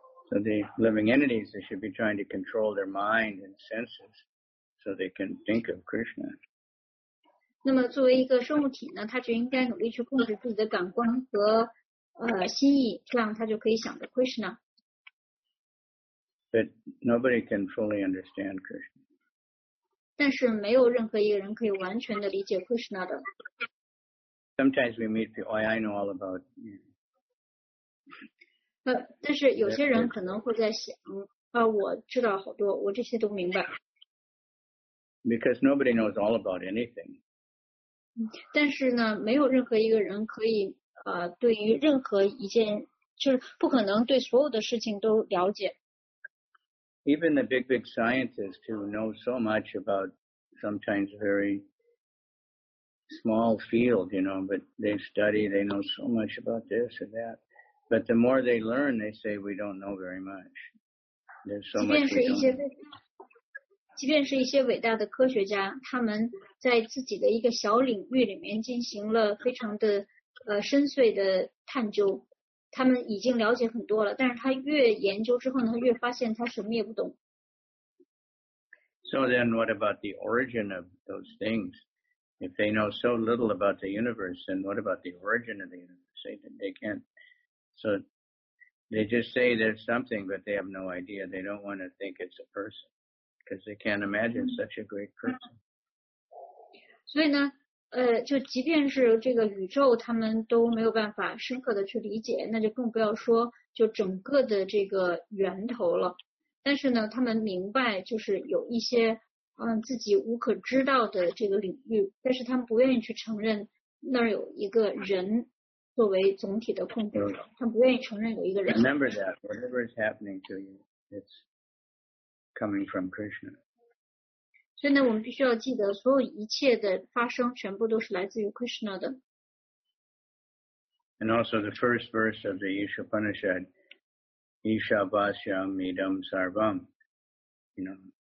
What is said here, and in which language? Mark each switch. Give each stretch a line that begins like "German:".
English: So the living entities they should be trying to control their mind and senses so they can think of Krishna.
Chinese: 那么作为一个生物体呢，他就应该努力去控制自己的感官和心意，这样他就可以想着 Krishna。
English: But nobody can fully understand Krishna.
Chinese: 但是没有任何一个人可以完全的理解 Krishna 的。
English: Sometimes we meet people, I know all about.
Chinese: 但是有些人可能会在想，我知道好多，我这些都明白。
English: Because nobody knows all about anything.
Chinese: 但是呢，没有任何一个人可以对于任何一件，就是不可能对所有的事情都了解。
English: Even the big, big scientists who know so much about sometimes very small field, you know, but they study, they know so much about this and that. But the more they learn, they say, we don't know very much. There's so much we don't know.
Chinese: 即便是一些伟大的科学家，他们在自己的一个小领域里面进行了非常的深邃的探究。他们已经了解很多了，但是他越研究之后呢，他越发现他什么也不懂。
English: So then, what about the origin of those things? If they know so little about the universe, then what about the origin of the universe? They can't. So they just say there's something, but they have no idea. They don't want to think it's a person because they can't imagine such a great person.
Chinese: 所以呢？就即便是这个宇宙他们都没有办法深刻的去理解，那就更不要说就整个的这个源头了。但是呢，他们明白就是有一些自己无可知道的这个领域，但是他们不愿意去承认那儿有一个人作为总体的控制者，他们不愿意承认有一个人。
English: Remember that whatever is happening to you, it's coming from Krishna.
Chinese: 所以呢，我们必须要记得，所有一切的发生全部都是来自于 Krishna 的。
English: And also the first verse of the Ishopanishad,
Sanskrit: Isha Vasyam Idam Sarvam,
English: you know.